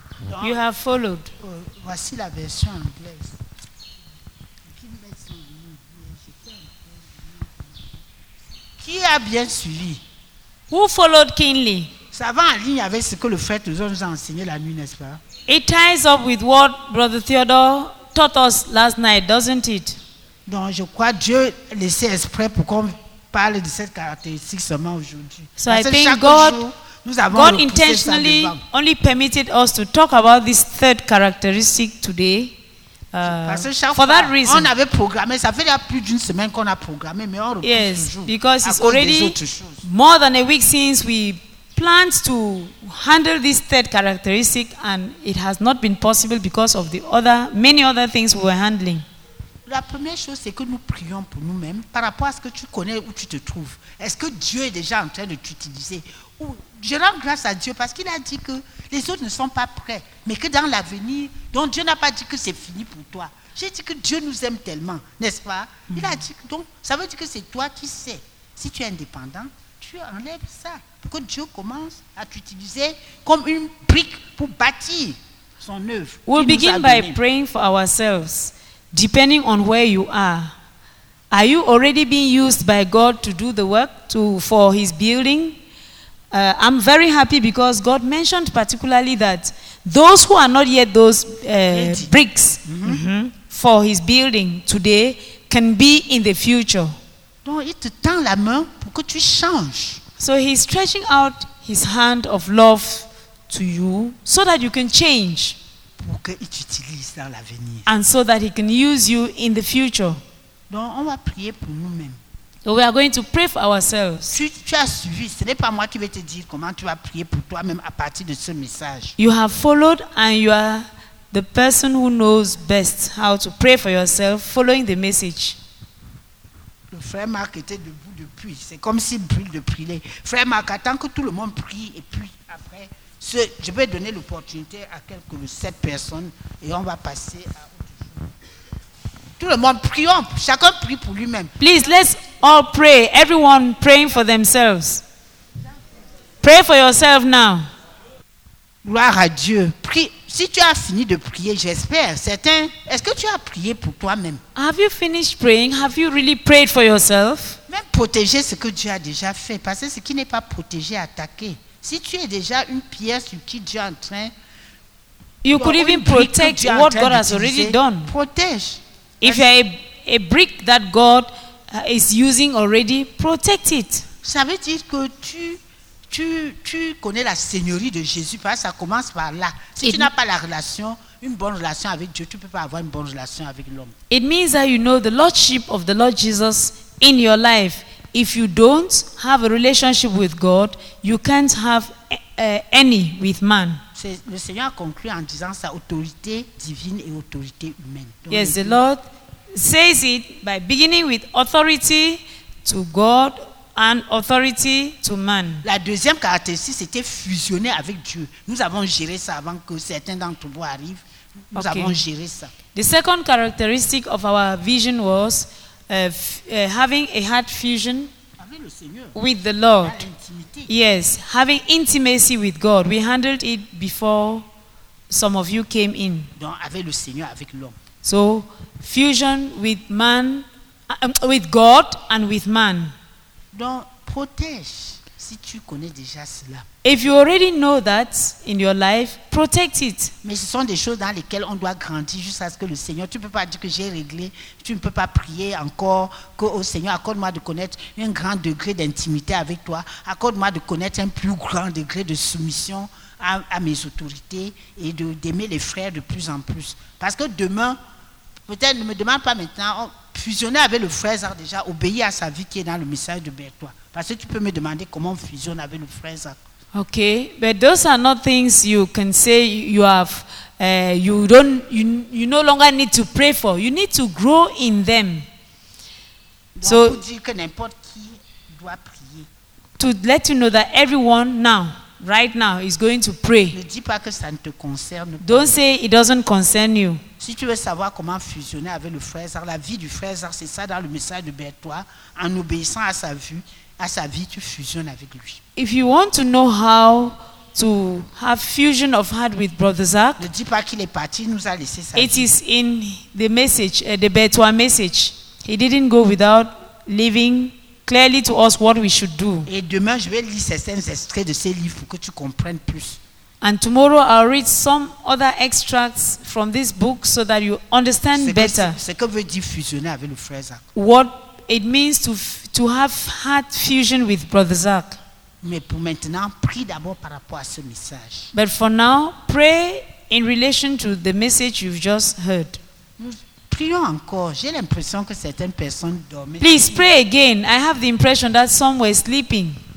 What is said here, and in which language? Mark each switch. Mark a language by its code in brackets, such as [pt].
[en] Donc, you have followed. [fr] Voici la version anglaise. Qui a bien suivi? [en] Who followed keenly? [fr] Ça va en ligne avec ce que le frère Théodore nous a enseigné la nuit, n'est-ce pas? [en] It ties up with what Brother Theodore taught us last night, doesn't it? [fr] Donc, je crois Dieu laissait exprès pour qu'on parle de cette caractéristique seulement aujourd'hui. [en] So parce I think God, [fr] jour, nous avons [en] God intentionally only permitted us to talk about this third characteristic today. [fr] Parce que chaque fois, [en] that reason, [fr] on avait programmé, ça fait déjà plus d'une semaine qu'on a programmé, mais on repousse [en] yes, [fr] toujours. [en] Because it's already more than a week since we plans to handle this third characteristic and it has not been possible because of the other many other things we were handling. [fr] La première chose c'est que nous prions pour nous-mêmes par rapport à ce que tu connais où tu te trouves. Est-ce que Dieu est déjà en train de t'utiliser où je rends grâce à Dieu parce qu'il a dit que les autres ne sont pas prêts, mais que dans l'avenir, donc Dieu n'a pas dit que c'est fini pour toi. J'ai dit que Dieu nous aime tellement, n'est-ce pas? Il a dit que donc, ça veut dire que c'est toi qui sais. Si tu es indépendant, tu enlèves ça pour que Dieu commence à t'utiliser comme une brique pour bâtir son œuvre. [en] We'll begin by praying for ourselves, depending on where you are. Are you already being used by God to do the work for his building? I'm very happy because God mentioned particularly that those who are not yet those bricks for his building today can be in the future. [fr] Donc, il te tend la main pour que tu changes. [en] So he's stretching out his hand of love to you so that you can change. [fr] Pour qu'il t'utilise dans l'avenir. [en] And so that he can use you in the future. [fr] Donc, on va prier pour nous-mêmes. [en] So we are going to pray for ourselves. [fr] Tu as suivi, ce n'est pas moi qui vais te dire comment tu vas prier pour toi-même à partir de ce message. [en] You have followed and you are the person who knows best how to pray for yourself following the message. [fr] Le frère Marc était debout depuis, c'est comme s'il brûle de prier. Frère Marc, attends que tout le monde prie et puis après, je vais donner l'opportunité à quelques 7 personnes et on va passer à... Tout le monde prions, chacun prie pour lui-même. [en] Please, let's all pray. Everyone praying for themselves. Pray for yourself now. [fr] Gloire à Dieu. Prie. Si tu as fini de prier, j'espère. Certains, est-ce que tu as prié pour toi-même? [en] Have you finished praying? Have you really prayed for yourself? [fr] Même protéger ce que Dieu a déjà fait, parce que ce qui n'est pas protégé, attaqué. Si tu es déjà une pierre sur qui Dieu est en train, [en] you could even protect what God has already done. [fr] Protège. [en] If you are a brick that God is using already, protect it. [fr] Ça veut dire que tu connais la seigneurie de Jésus parce que ça commence par là. Si tu n'as pas la relation, une bonne relation avec Dieu, tu ne peux pas avoir une bonne relation avec l'homme. [en] It means that you know the lordship of the Lord Jesus in your life. If you don't have a relationship with God, you can't have any with man. [fr] Le Seigneur conclut en disant sa autorité divine et autorité humaine. [en] Donc yes, the Lord says it by beginning with authority to God and authority to man. [fr] La deuxième caractéristique, c'était fusionner avec Dieu. Nous avons géré ça avant que certains d'entre vous arrivent. Nous avons géré ça. [en] The second characteristic of our vision was having a heart fusion with the Lord. Yes, having intimacy with God. We handled it before some of you came in. [fr] Donc avec le Seigneur, avec l'homme. [en] So, fusion with man, with God and with man. [fr] Donc protège si tu connais déjà cela. [en] If you already know that in your life, protect it. [fr] Mais ce sont des choses dans lesquelles on doit grandir jusqu'à ce que le Seigneur, tu ne peux pas dire que j'ai réglé, tu ne peux pas prier encore, que au Seigneur, accorde-moi de connaître un grand degré d'intimité avec toi, accorde-moi de connaître un plus grand degré de soumission à mes autorités et d'aimer les frères de plus en plus. Parce que demain, peut-être ne me demande pas maintenant, fusionner avec le frère Zard déjà, obéir à sa vie qui est dans le message de Bertois. Parce que tu peux me demander comment on fusionne avec le frère Zard. [en] Okay, but those are not things you can say you have. You no longer need to pray for. You need to grow in them. [fr] Donc, so, pour dire que n'importe qui doit prier. [en] To let you know that everyone now, right now, is going to pray. [fr] Ne dis pas que ça ne te concerne. [en] Don't say it doesn't concern you. [fr] Si tu veux savoir comment fusionner avec le frère Zard, la vie du frère Zard, c'est ça dans le message de Bertois, en obéissant à sa vue. À sa vie, tu fusionnes avec lui. [en] If you want to know how to have fusion of heart with Brother Zach, [fr] ne dis pas qu'il est parti, nous a laissé sa vie. [en] It is in the message, the Bertois message. He didn't go without leaving clearly to us what we should do. [fr] Et demain, je vais lire certains extraits de ces livres pour que tu comprennes plus. [en] And tomorrow, I'll read some other extracts from this book so that you understand better. [fr] Ce que veut dire fusionner avec le frère Zach. [en] What it means to have heart fusion with Brother Zach. [fr] Mais pour maintenant, prie d'abord par rapport à ce message. [en] But for now, pray in relation to the message you've just heard. [fr] Prions encore. J'ai l'impression que certaines personnes dorment. [en] Please pray again. I have the impression that some were sleeping.